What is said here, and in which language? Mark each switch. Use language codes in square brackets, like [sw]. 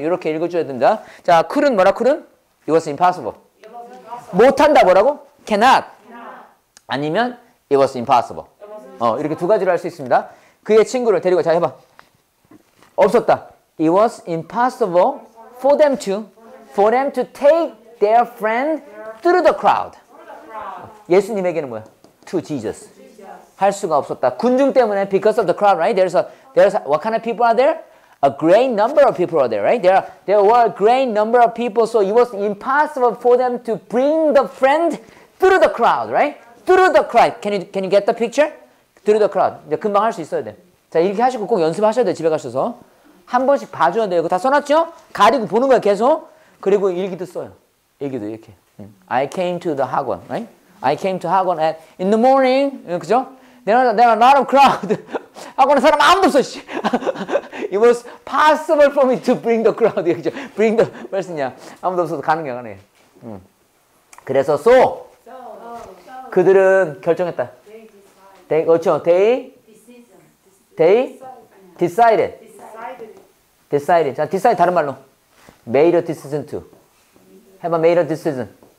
[ko] 이렇게 읽어줘야 됩니다. 자, 쿨은 뭐라 쿨은? [en] It was impossible. [ko] 못한다 뭐라고? [en] Cannot. [ko] 아니면 [en] it was impossible. [ko] 이렇게 두 가지로 할 수 있습니다. 그의 친구를 데리고 자 해봐. 없었다. [en] It was impossible for them to take their friend through the crowd. [ko] 예수님에게는 뭐야? [en] To Jesus. [ko] 할 수가 없었다. 군중 때문에 [en] because of the crowd, right? There's a, what kind of people are there? A great number of people are there, right? There were a great number of people, so it was impossible for them to bring the friend through the crowd, right? Through the crowd. Can you get the picture? Through the crowd. [ko] 이제 금방 할 수 있어야 돼. 자, 이렇게 하시고 꼭 연습하셔야 돼, 집에 가셔서. 한 번씩 봐줘야 돼요. 이거 다 써놨죠? 가리고 보는 거야, 계속. 그리고 일기도 써요. 일기도 이렇게. [en] I came to the Hagwon, right? I came to Hagwon at, in the morning, [ko] 그죠? [en] There are a lot of crowd. [ko] 학원에 사람 아무도 없어, 씨. [en] It was possible for me to bring the crowd, [ko] 그죠? [en] Bring the, [ko] 말씀이야. 아무도 없어서 가능해, 가능해. 그래서, so. 그들은 결정했다. [en] They, [ko] 그렇죠. They? [en] Decision. They? Decided. Decided. 자, decide [ko] 다른 말로. [en] Made a decision to. [ko] 해봐, [en] made a decision.